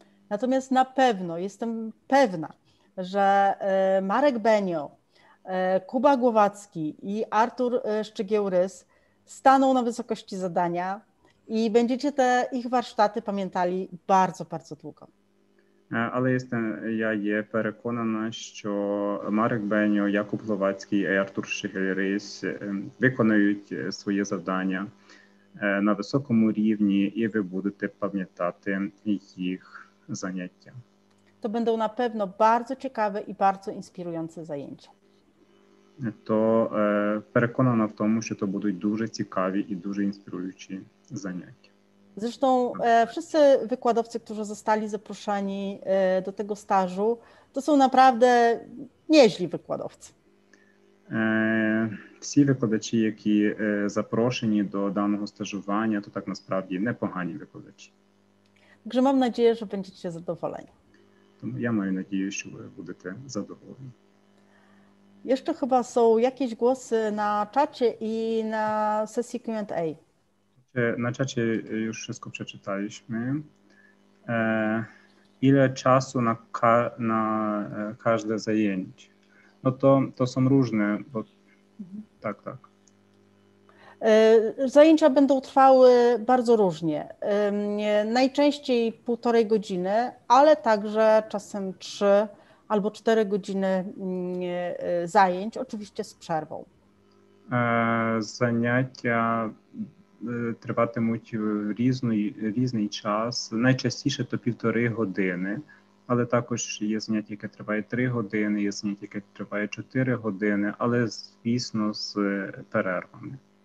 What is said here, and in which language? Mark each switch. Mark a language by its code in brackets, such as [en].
[pl] Natomiast na pewno, jestem pewna, że Marek Benio, Kuba Głowacki i Artur Szczygieł-Rys staną na wysokości zadania i będziecie te ich warsztaty pamiętali bardzo, bardzo długo. [uk] Але я є переконана, що Марек Беніо, Якуб Гловацький і Артур Шигель-Рейс виконують своє завдання на високому рівні, і ви будете пам'ятати їх заняття. То будуть напевно дуже цікаві і дуже інспіруючі заняття. То переконана в тому, що то будуть дуже цікаві і дуже інспіруючі заняття. [pl] Zresztą wszyscy wykładowcy, którzy zostali zaproszeni do tego stażu, to są naprawdę nieźli wykładowcy. [uk] Всі викладачі, які запрошені до даного стажування, то так насправді непогані викладачі. [pl] Także mam nadzieję, że będziecie zadowoleni. Ja mam nadzieję, że będziecie zadowoleni. Jeszcze chyba są jakieś głosy na czacie i na sesji Q&A. [uk] На чаті [pl] już wszystko przeczytaliśmy. Ile czasu na każde zajęcie? No to są różne, bo tak, tak. Zajęcia będą trwały bardzo różnie. Najczęściej 1,5 godziny, ale także czasem 3 albo 4 godziny zajęć, oczywiście z przerwą. [uk] Zajęcia триватимуть різний час. Найчастіше то 1,5 години, але також є заняття, яке триває 3 години, є заняття, яке триває 4 години, але, звісно, з перервами.